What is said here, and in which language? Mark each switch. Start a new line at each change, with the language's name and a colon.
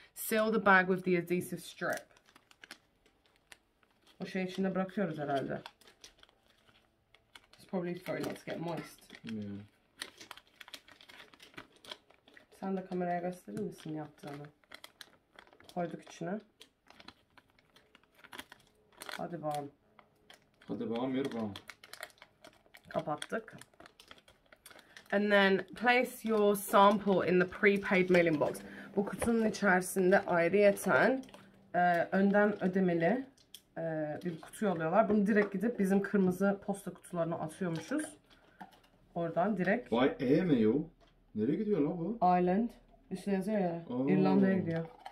English: Seal the bag with the adhesive strip.
Turkish: O şey içinde bırakıyoruz herhalde.
English: It's probably for it not to get moist. Yeah.
Turkish: Sen de kameraya gösterir misin yaptığını? Koyduk içine. Hadi bağım. Hadi bağım, yürü bağım. Kapattık.
English: And then place your sample in the prepaid mailing box.
Turkish: Bu kutunun içerisinde ayrıyeten önden ödemeli bir kutu alıyorlar. Bunu direkt gidip bizim kırmızı posta kutularına atıyormuşuz. Oradan direkt. Vay E mi yo? Nereye gidiyor lan bu? Ireland. Üstüne yazıyor ya. Oh. İrlanda'ya gidiyor.